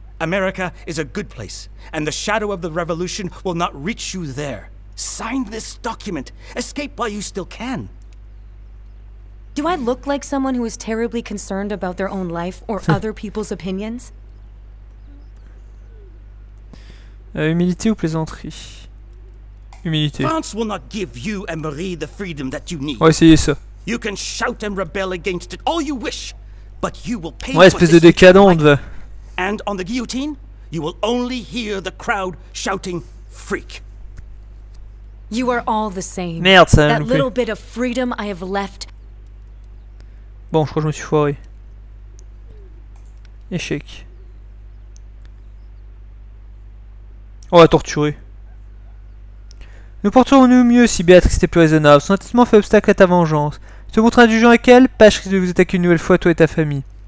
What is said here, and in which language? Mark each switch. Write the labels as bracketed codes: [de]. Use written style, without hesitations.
[en] America is a good place, and the shadow of the revolution will not reach you there. Sign this document. Escape while you still can. Do I look like someone who is terribly concerned about their own life or other people's opinions? [fr] Humilité ou plaisanterie? Humilité. [en] France will not give you and Marie the freedom that you need. [fr] Oh, essayez ça. [en] You can shout and rebel against it all you wish, but you will pay [fr] ouais, espèce de décadente. [en] And on the guillotine, you will only hear the crowd shouting freak. You are all the same. [fr] Merde, ça [en] that little bit of freedom I have left. [fr] Bon, je crois que je me suis foiré. Échec. Oh, la torturer. Nous porterons-nous mieux si Béatrice était plus raisonnable. Son attitude fait obstacle à ta vengeance. Tu te montres indulgent avec elle, Pache risque de vous attaquer une nouvelle fois, toi et ta famille.